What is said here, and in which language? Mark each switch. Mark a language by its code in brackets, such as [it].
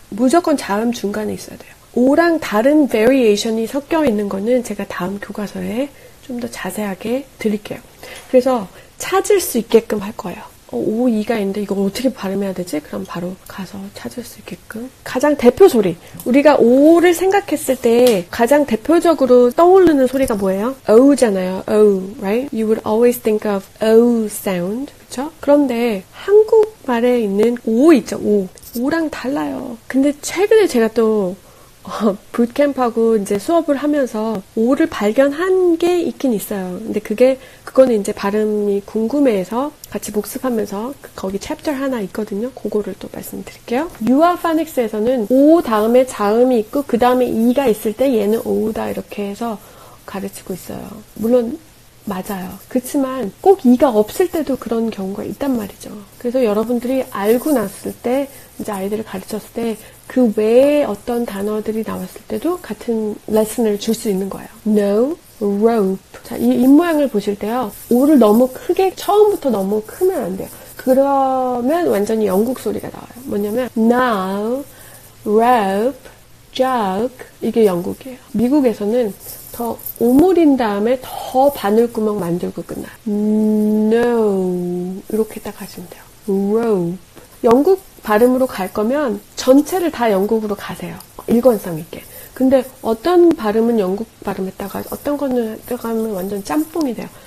[ko] 무조건 자음 중간에 있어야 돼요. 오랑 다른 variation이 섞여 있는 거는 제가 다음 교과서에 좀 더 자세하게 드릴게요. 그래서 찾을 수 있게끔 할 거예요. 오, 이가 있는데 이거 어떻게 발음해야 되지? 그럼 바로 가서 찾을 수 있게끔. 가장 대표 소리. 우리가 오를 생각했을 때 가장 대표적으로 떠오르는 소리가 뭐예요? O잖아요. O, right? [en] You would always think of O sound, [ko] 그렇죠? 그런데 한국말에 있는 오 있죠, 오. 오랑 달라요. 근데 최근에 제가 또 부트캠프하고 이제 수업을 하면서 오를 발견한 게 있긴 있어요. 근데 그거는 이제 발음이 궁금해서 같이 복습하면서 거기 챕터 하나 있거든요. 그거를 또 말씀드릴게요. 유아 파닉스에서는 오 다음에 자음이 있고 그 다음에 이가 있을 때 얘는 오우다 이렇게 해서 가르치고 있어요. 물론 맞아요. 그렇지만 꼭 이가 없을 때도 그런 경우가 있단 말이죠. 그래서 여러분들이 알고 났을 때 이제 아이들을 가르쳤을 때 그 외에 어떤 단어들이 나왔을 때도 같은 레슨을 줄 수 있는 거예요. [en] No, rope. [ko] 자, 이 입모양을 보실 때요. 오를 너무 크게, 처음부터 너무 크면 안 돼요. 그러면 완전히 영국 소리가 나와요. 뭐냐면 now, rope, jug. 이게 영국이에요. 미국에서는 더 오므린 다음에 더 바늘구멍 만들고 끝나요. No, 이렇게 딱 하시면 돼요. [en] rope. [ko] 영국 발음으로 갈 거면 전체를 다 영국으로 가세요. 일관성 있게. 근데 어떤 발음은 영국 발음했다가 어떤 거는 들어가면 완전 짬뽕이 돼요.